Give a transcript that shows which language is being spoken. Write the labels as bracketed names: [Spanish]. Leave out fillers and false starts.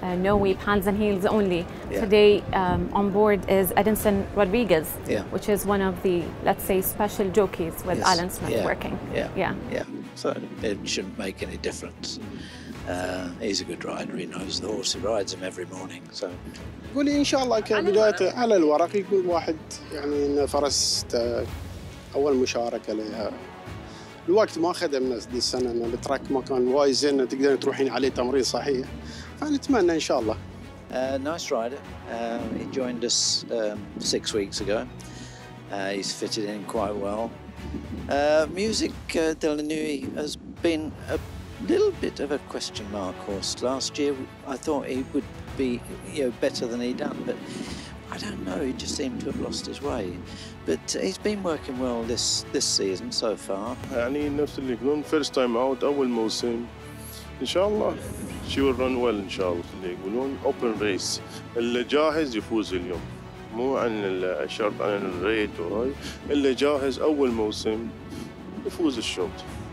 [English] No whip, hands and heels only. Yeah. Today on board is Edinson Rodriguez. Yeah. Which is one of the, let's say, special jockeys with yes. Alan Smith yeah. working. Yeah. Yeah. Yeah. So it shouldn't make any difference. He's a good rider. He knows the horse. He rides him every morning. So. [Arabic] قولي إن شاء الله كبداية على الورق يكون واحد يعني فرس أول مشاركة لها. الوقت ما خدم الناس دي السنة، إن التراك ما كان وايد زين تقدرين تروحين عليه تمرين صحيح، فنتمنى إن شاء الله. [English] Nice rider. He joined us 6 weeks ago. He's fitted in quite well. Music, Del Nui, has been a little bit of a question mark horse. Last year, I thought he would be, you know, better than he'd done, but I don't know, he just seemed to have lost his way. But he's been working well this season so far. [Arabic] يعني نفس اللي يقولون [English] first time out, [Arabic] أول موسم. إن شاء الله, [English] she will run well, [Arabic] إن شاء الله. اللي يقولون [English] open race. [Arabic] اللي جاهز يفوز اليوم. مو عن الشرط عن الريت وهاي. اللي جاهز أول موسم يفوز الشوط.